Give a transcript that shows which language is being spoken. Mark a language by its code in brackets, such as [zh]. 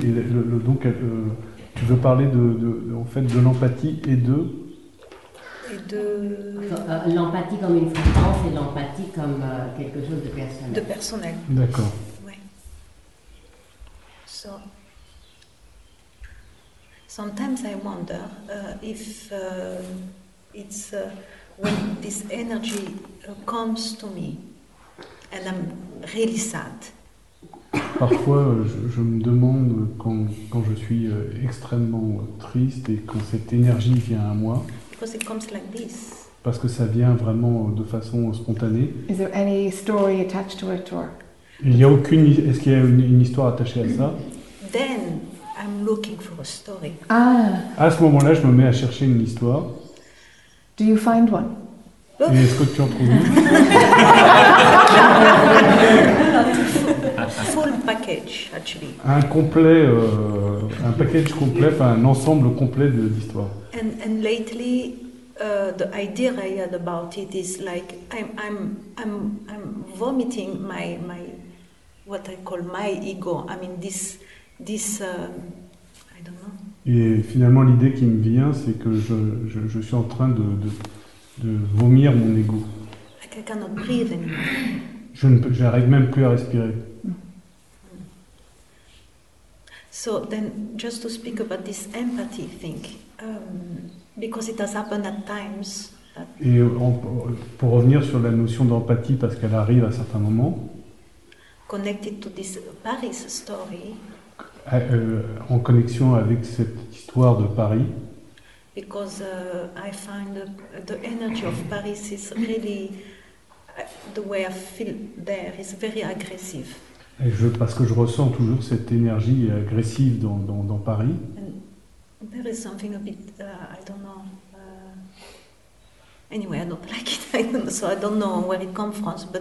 [fr] Et donc, tu veux parler de l'empathie et de... Et de... L'empathie comme une fréquence et l'empathie comme quelque chose de personnel. De personnel. D'accord. Oui. [en] So, sometimes I wonder when this energy comes to me and I'm really sad. [fr] Parfois, je me demande quand je suis extrêmement triste et quand cette énergie vient à moi. [en] Because it comes like this. [fr] Parce que ça vient vraiment de façon spontanée. [en] Is there any story attached to it, or? [fr] Est-ce qu'il y a une histoire attachée à ça? [en] Then I'm looking for a story. Ah. [fr] À ce moment-là, je me mets à chercher une histoire. [en] Do you find one? [fr] Et est-ce que tu en trouves une? [en] Full package, actually. [fr] Un complet, un package complet, enfin un ensemble complet de l'histoire. [en] And lately, the idea I had about it is like I'm vomiting my what I call my ego. I mean this I don't know. [fr] Et finalement, l'idée qui me vient, c'est que je suis en train de vomir mon ego. [en] I cannot breathe anymore. [fr] J'arrive même plus à respirer. [en] So then, just to speak about this empathy thing, because it has happened at times. [fr] Et pour revenir sur la notion d'empathie, parce qu'elle arrive à certains moments. [en] Connected to this Paris story. [fr] En connexion avec cette histoire de Paris. [en] Because I find the energy of Paris is really the way I feel there is very aggressive. [fr] Parce que je ressens toujours cette énergie agressive dans Paris. [en] And there is something a bit I don't know. Anyway, I don't like it. I don't, so I don't know where it comes from, but